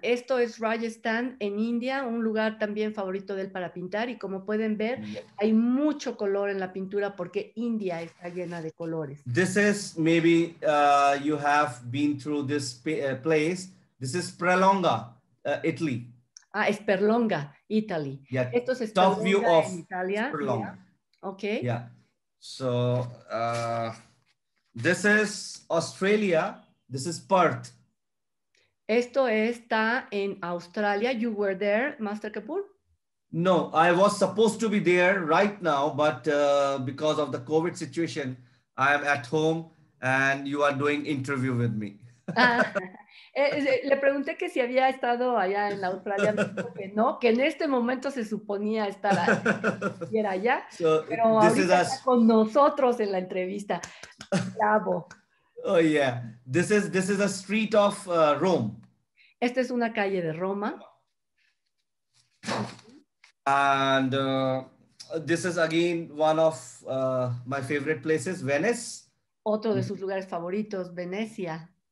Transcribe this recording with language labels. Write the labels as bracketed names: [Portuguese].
[Spanish] Esto es Rajasthan en India, un lugar también favorito de él para pintar. Y como pueden ver, hay mucho color en la pintura porque India está llena de colores. [English] This is maybe you have been through this place. This is Sperlonga, Italy. Ah, Sperlonga, Italy. Yeah. [Spanish] Esto es Sperlonga, [English] top view of [Spanish] Italia. Sperlonga. [English] Yeah. Okay. Yeah. So this is Australia. This is Perth. [Spanish] Esto está en Australia. [English] You were there, [Spanish] Master Kapoor? [English] No, I was supposed to be there right now, but because of the COVID situation, I am at home and you are doing interview with me. [Spanish] Le pregunté que si había estado allá en Australia. Me dijo que no, que en este momento se suponía estar ahí, era allá. [English] So, [Spanish] pero ahorita está con nosotros en la entrevista. Bravo. [English] Oh yeah, this is a street of Rome. [Spanish] Esta es una calle de Roma. [English] And this is again one of my favorite places, Venice. [Spanish] Otro de sus lugares favoritos, Venecia.